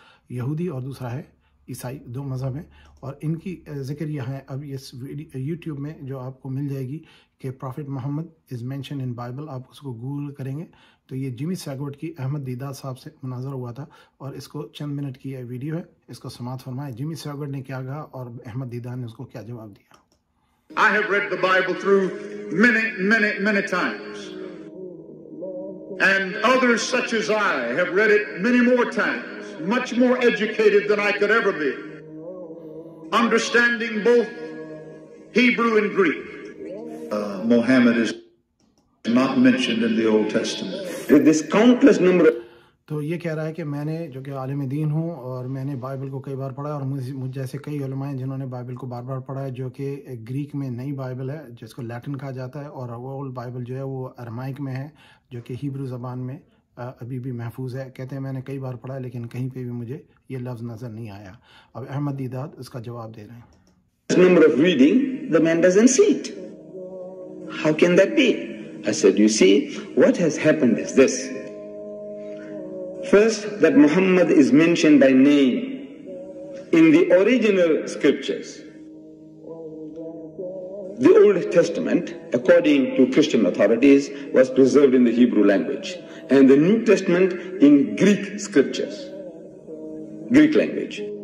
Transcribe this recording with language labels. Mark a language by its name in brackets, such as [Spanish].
[Urdu] یہودی اور دوسرا ہے عیسائی، دو مذہب ہیں، اور ان کی ذکر یہ ہے۔ اب اس یوٹیوب میں جو آپ کو مل جائے گی کہ [English] prophet Muhammad is mentioned in Bible, [Urdu] آپ اس کو گوگل کریں گے تو یہ جمی سیگوٹ کی احمد دیدار صاحب سے مناظر ہوا تھا، اور اس کو چند منٹ کی یہ ویڈیو ہے، اس کو سماعت فرمائیں۔ جمی سیگوٹ نے کیا کہا اور احمد دیدار نے اس کو کیا جواب دیا۔ [English] I have read the Bible through many times, and others such as I have read it many more times, much more educated than I could ever be, understanding both Hebrew and Greek. Mohammed is not mentioned in the Old Testament. This countless number of [Urdu] تو یہ کہہ رہا ہے کہ میں نے جو کہ عالم دین ہوں اور میں نے بائبل کو کئی بار پڑھا، اور مجھ جیسے کئی علماء ہیں جنہوں نے بائبل کو بار بار پڑھا ہے، جو کہ گریک میں نئی بائبل ہے جس کو لیٹن کہا جاتا ہے، اور اول بائبل جو ہے وہ ارمائک میں ہے جو کہ ہیبرو زبان میں ابھی بھی محفوظ ہے۔ کہتے ہیں میں نے کئی بار پڑھا ہے لیکن کہیں پہ بھی مجھے یہ لفظ نظر نہیں آیا۔ اب احمد دیداد اس کا جواب دے رہے ہیں۔ [English] Number of reading the man doesn't see it, how can that be? I said you see what has happened is this, First, that Muhammad is mentioned by name in the original scriptures, the Old Testament, according to Christian authorities, was preserved in the Hebrew language, and the New Testament in Greek scriptures, Greek language.